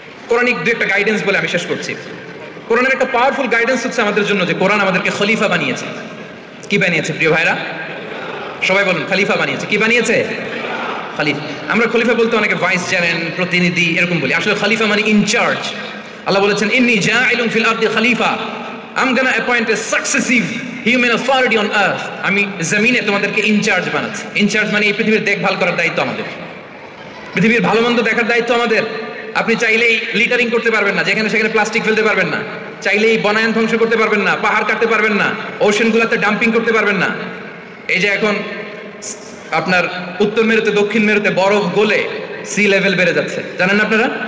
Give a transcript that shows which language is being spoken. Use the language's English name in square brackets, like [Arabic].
[Bangla] Quranic দু একটা guidance বলে আমি শেষ করছি। কোরআনের একটা পাওয়ারফুল গাইডেন্স হচ্ছে আমাদের জন্য যে কোরআন আমাদেরকে খলিফা বানিয়েছে। কি বানিয়েছে প্রিয় ভাইরা? সবাই বলুন, খলিফা বানিয়েছে। কি বানিয়েছে? খলিফা। আমরা খলিফা বলতে অনেকে ভাইস চেয়ারম্যান, প্রতিনিধি এরকম বলি, আসলে খলিফা মানে ইনচার্জ। আল্লাহ বলেছেন, [Arabic] ইন্নী জাঈলুন ফিল আরদি খলিফা, [English] I'm going to appoint a successive human authority on earth. [Bangla] আমি জমিনে তোমাদেরকে ইনচার্জ বানাচ্ছি। ইনচার্জ মানে এই পৃথিবীর দেখভাল করার দায়িত্ব আমাদের, পৃথিবীর ভালো মন্দ দেখার দায়িত্ব আমাদের। আপনি চাইলেই লিটারিং করতে পারবেন না, যেখানে সেখানে প্লাস্টিক ফেলতে পারবেন না, চাইলেই বনায়ন ধ্বংস করতে পারবেন না, পাহাড় কাটতে পারবেন না, ওশেনগুলোতে ডাম্পিং করতে পারবেন না। এই যে এখন আপনার উত্তর মেরুতে দক্ষিণ মেরুতে বরফ গলে সি লেভেল বেড়ে যাচ্ছে, জানেন না আপনারা?